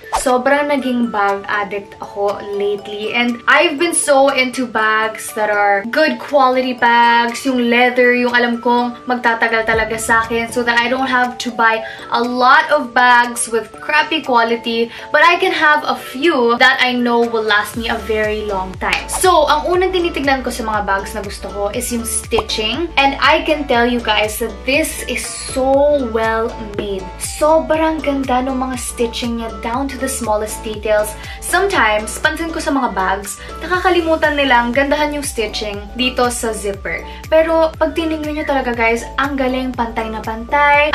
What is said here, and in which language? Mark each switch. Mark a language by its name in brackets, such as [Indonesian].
[Filipino] Sobrang naging bag addict ako [English] lately. And I've been so into bags that are good quality bags. [Filipino] Yung leather, yung alam kong magtatagal talaga sa akin. [English] So that I don't have to buy a lot of bags with crappy quality. But I can have a few that I know will last me a very long time. [Filipino] So, ang unang tinitignan ko sa mga bags na gusto ko is yung stitching. [English] And I can tell you guys that this is so well made. [Filipino] Sobrang ganda ng mga stitching niya down to the smallest details. Sometimes, pansin ko sa mga bags, nakakalimutan nilang gandahan yung stitching dito sa zipper. Pero pag tiningnan niyo talaga guys, ang galing pantay na pantay.